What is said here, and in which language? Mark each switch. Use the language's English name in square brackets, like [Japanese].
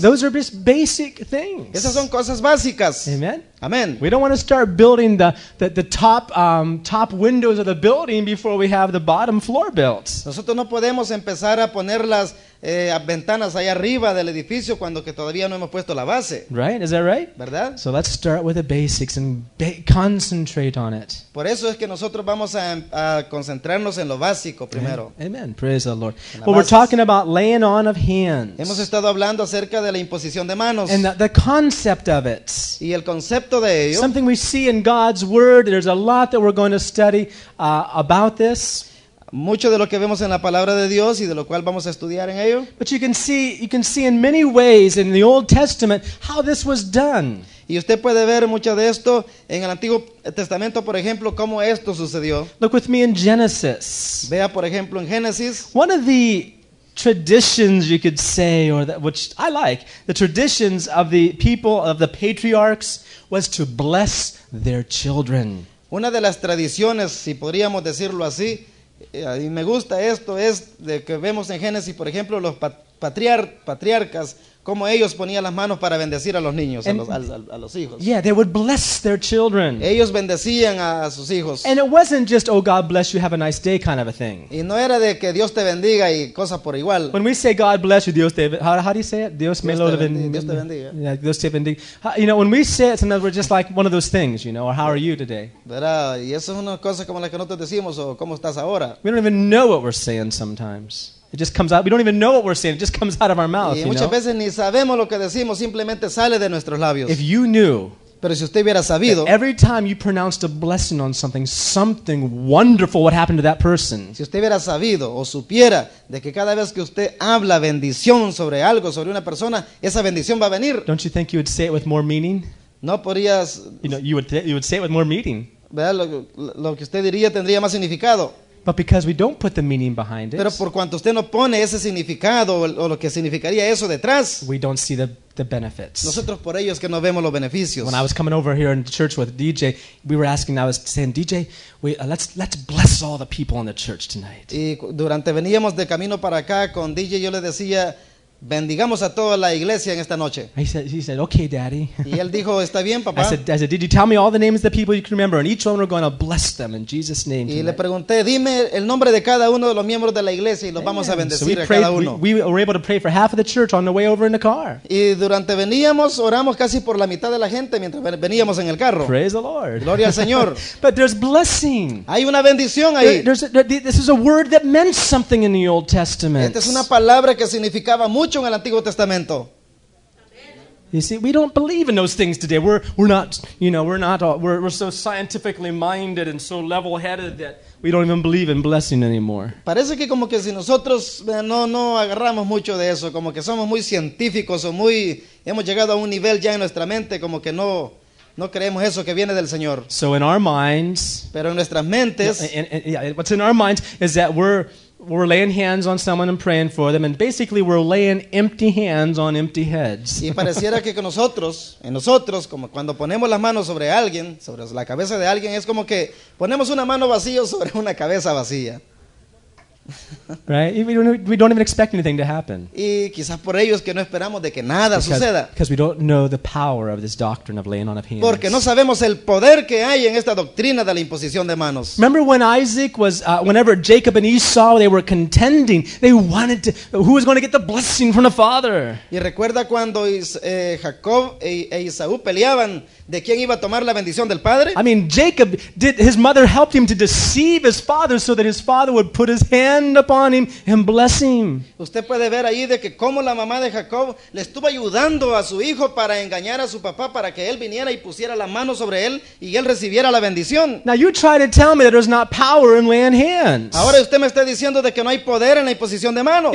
[English] Those are just basic things. [Spanish] Esas son cosas básicas. [English] Amen. Amen. We don't want to start building the top windows of the building before we have the bottom floor built. [Spanish] Nosotros no podemos empezar a poner las ventanas allá arriba del edificio cuando que todavía no hemos puesto la base. [English] Right? Is that right? [Spanish] ¿Verdad? [English] So let's start with the basics and concentrate on it. [Spanish] Por eso es que nosotros vamos a concentrarnos en lo básico primero. [English] Amen. Amen. Praise the Lord. Well, we're talking about laying on of hands. [Spanish] Hemos estado hablando acerca de la imposición de manos. [English] And the concept of it. [Spanish] Y el concepto de ello. [English] Something we see in God's Word. There's a lot that we're going to study about this. [Spanish] Mucho de lo que vemos en la palabra de Dios y de lo cual vamos a estudiar en ello. [English] But you can see in many ways in the Old Testament how this was done. [Spanish] Y usted puede ver mucho de esto en el Antiguo Testamento, por ejemplo, cómo esto sucedió. [English] Look with me in Genesis. [Spanish] Vea, por ejemplo, en Génesis. [English] One of the traditions you could say, or that, which I like, the traditions of the people of the patriarchs was to bless their children. [Spanish] Una de las tradiciones, si podríamos decirlo así, y me gusta esto, es de que vemos en Génesis, por ejemplo, los patriarcas, cómo ellos ponían las manos para bendecir a los niños, a los hijos. [English] Yeah, they would bless their children. [Spanish] Ellos bendecían a sus hijos. [English] And it wasn't just, oh, God bless you, have a nice day kind of a thing. [Spanish] Y no era de que Dios te bendiga y cosas por igual. [English] When we say God bless you, [Spanish] Dios te bendiga. [English] How do you say it? [Spanish] Dios te bendiga. [English] Yeah, [Spanish] Dios te bendiga. [English] You know, when we say it, sometimes we're just like one of those things, you know, or how are you today? [Spanish] Y eso es una cosa como la que nosotros decimos, o cómo estás ahora. [English] We don't even know what we're saying sometimes. It just comes out. We don't even know what we're saying. It just comes out of our mouth, you know? [Spanish] Y muchas veces ni sabemos lo que decimos, simplemente sale de nuestros labios. [English] If you knew, [Spanish] pero si usted hubiera sabido, [English] every time you pronounced a blessing on something, something wonderful would happen to that person. [Spanish] Si usted hubiera sabido o supiera de que cada vez que usted habla bendición sobre algo, sobre una persona, esa bendición va a venir. [English] Don't you think you would say it with more meaning? [Spanish] No podrías. [English] You know, you would say it with more meaning. [Spanish] ¿Verdad? Lo que usted diría tendría más significado. [English] But because we don't put the meaning behind it, [Spanish] pero por cuanto usted no pone ese significado o lo que significaría eso detrás, [English] we don't see the the benefits. [Spanish] Nosotros por ellos que no vemos los beneficios. [English] When I was coming over here in the church with DJ, we were asking, I was saying, DJ, let's bless all the people in the church tonight. [Spanish] Y durante veníamos de camino para acá con DJ, yo le decía, bendigamos a toda la iglesia en esta noche. [English] He said, okay, daddy. [Spanish] Y él dijo, está bien, papá. [English] I said, did you tell me all the names of the people you can remember? And each one we're going to bless them in Jesus' name. [Spanish] Y le pregunté, dime el nombre de cada uno de los miembros de la iglesia y los vamos a bendecir a cada uno. [English] We were able to pray for half of the church on the way over in the car. [Spanish] Y durante veníamos, oramos casi por la mitad de la gente mientras veníamos en el carro. [English] Praise the Lord. [Spanish] Gloria al Señor. [English] But there's blessing. [Spanish] Hay una bendición ahí. [English] This is a word that meant something in the Old Testament. [Spanish] Esta es una palabra que significaba mucho en el Antiguo Testamento. [English] You see, we don't believe in those things today. We're so scientifically minded and so level-headed that we don't even believe in blessing anymore. [Spanish] Parece que como que si nosotros no agarramos mucho de eso, como que somos muy científicos o muy hemos llegado a un nivel ya en nuestra mente como que no creemos eso que viene del Señor. [English] So in our minds, [Spanish] pero en nuestras mentes, [English] what's in our minds is that we're laying hands on someone and praying for them, and basically we're laying empty hands on empty heads. [Spanish] Y pareciera que con nosotros, en nosotros, como cuando ponemos las manos sobre alguien, sobre la cabeza de alguien, es como que ponemos una mano vacía sobre una cabeza vacía. [English] Right? We don't even expect anything to happen. [Spanish] Y quizás por ello es que no esperamos de que nada suceda. [English] Because we don't know the power of this doctrine of laying on of hands. [Spanish] Porque no sabemos el poder que hay en esta doctrina de la imposición de manos. [English] Remember when Isaac was, whenever Jacob and Esau, they were contending, they wanted to, who was going to get the blessing from the father? [Spanish] Y recuerda cuando Jacob e Esau peleaban. ¿De quién iba a tomar la bendición del padre? [English] I mean, Jacob did, his mother helped him to deceive his father so that his father would put his hand upon him and bless him. [Spanish] Usted puede ver ahí de que cómo la mamá de Jacob le estuvo ayudando a su hijo para engañar a su papá para que él viniera y pusiera la mano sobre él y él recibiera la bendición. [English] Now you try to tell me that there's not power in laying hands. [Spanish] Ahora usted me está diciendo de que no hay poder en la imposición de manos.